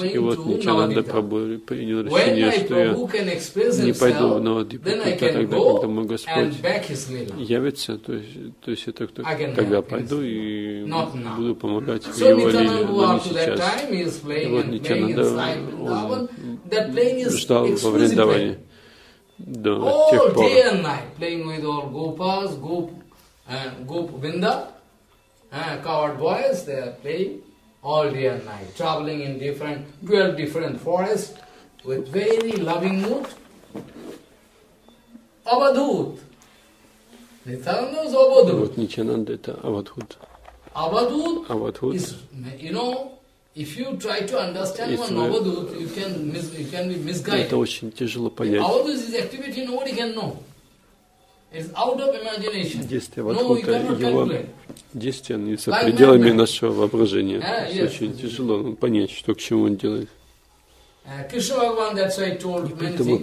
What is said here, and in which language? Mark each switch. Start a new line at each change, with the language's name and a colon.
Russian: И вот Нитьянанда Прабху принял решение, что я не пойду в Навадвипу, тогда, когда мой Господь явится, то есть я тогда пойду и буду помогать в его лиле, но не сейчас. И вот Нитьянанда, он ждал во Вриндаване до тех пор.
English: All day and night, playing with all gopas, gopvinda, coward boys, they are playing all day and night, traveling in 12 different forests, with very loving mood. Avadhut. Nitananda is Avadhut.
Russian: Вот Нитьянанда это Avadhut.
English: Avadhut is, you know, if you try to understand one Avadhut, you can be misguided.
Russian: Это очень тяжело понять.
English: Avadhut is activity nobody can know. It's out of imagination.
Russian: Действие Avadhuta, его действие не за пределами нашего воображения. Очень тяжело понять, что к чему он делает.
English: Кришна Бхагаван, that's why I told many things about